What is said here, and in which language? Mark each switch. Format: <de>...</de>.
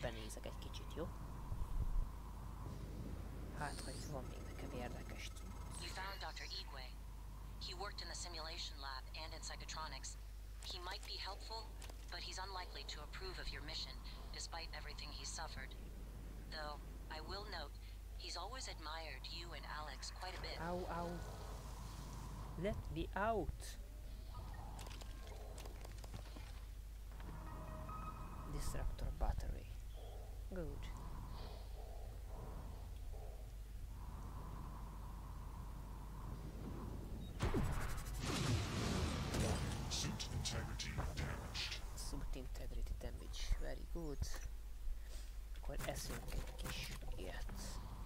<hu>Körbenézek egy kicsit, jó? Hát, hogy van még nekem érdekes.</hu> <en>You found Dr. Igwe. He worked in the simulation lab and in psychotronics. He might be helpful, but he's unlikely to approve of your mission, despite everything he's suffered. Though, I will note, he's always admired you and Alex quite a bit. Ow, ow. Let me out. Disruptor battery. Good. Suit integrity damaged. Suit integrity damage. Very good.</en> <hu>Akkor eszünk egy kis ilyet.</hu>